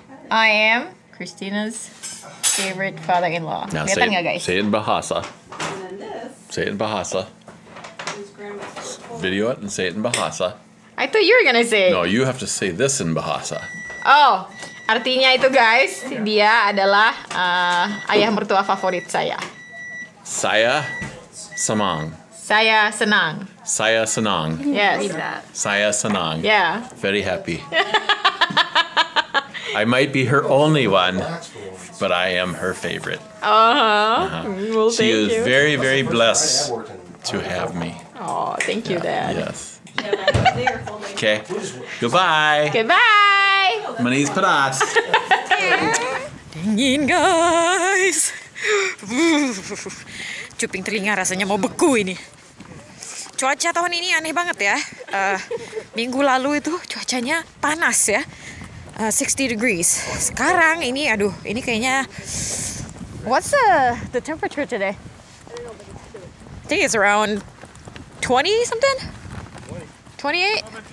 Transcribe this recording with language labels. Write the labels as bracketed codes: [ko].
[en] I am Christina's favorite father-in-law. Now say it, guys. Say it in Bahasa. Say it in Bahasa. Video it and say it in Bahasa. I thought you were gonna say it. No, you have to say this in Bahasa. [id] Oh, artinya itu guys, dia adalah ayah mertua favorit saya. Saya senang. Saya senang. Saya senang. [en] Yes. [id] Saya senang. [en] Yeah. Very happy. I might be her only one, but I am her favorite. Uh-huh. Well, she is you. Very, very blessed to have me. Oh, thank you, yeah. Dad. Yes. Okay. Goodbye. Goodbye. [id] Manis pedas. Dingin, guys. Cuping telinga rasanya mau beku ini. Cuaca tahun ini aneh banget ya. Minggu lalu itu cuacanya panas ya. 60 degrees. Sekarang ini, aduh, ini kayaknya... [en] What's the temperature today? I think it's around 20 something? 28?